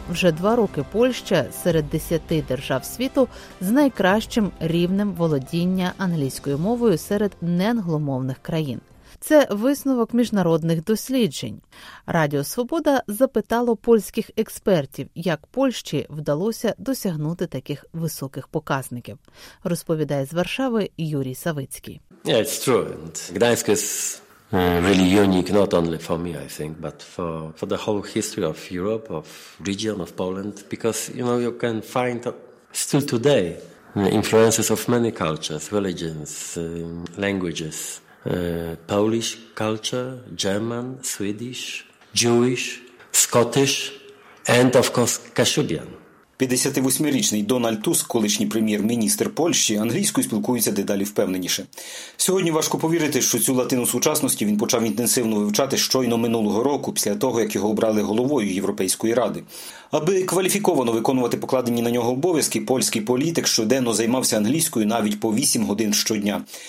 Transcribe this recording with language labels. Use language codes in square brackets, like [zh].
[uk] Вже 2 роки Польща серед 10 держав світу з найкращим рівнем володіння англійською мовою серед неангломовних країн. Це висновок міжнародних досліджень. Радіо «Свобода» запитало польських експертів, як Польщі вдалося досягнути таких високих показників. Розповідає з Варшави Юрій Савицький. [en] Yeah, it's true. Gdańsk is really unique, not only for me, I think, but for the whole history of Europe, of region, of Poland, because, you know, you can find still today influences of many cultures, religions, languages. Polish culture, German, Swedish, Jewish, Scottish, and of course Kashubian. [uk] 58-річний Дональд Туск, колишній прем'єр-міністр Польщі, англійською спілкується дедалі впевненіше. Сьогодні важко повірити, що цю латину сучасності він почав інтенсивно вивчати щойно минулого року, після того, як його обрали головою Європейської Ради. Аби кваліфіковано виконувати покладені на нього обов'язки, польський політик щоденно займався англійською навіть по 8 годин щодня.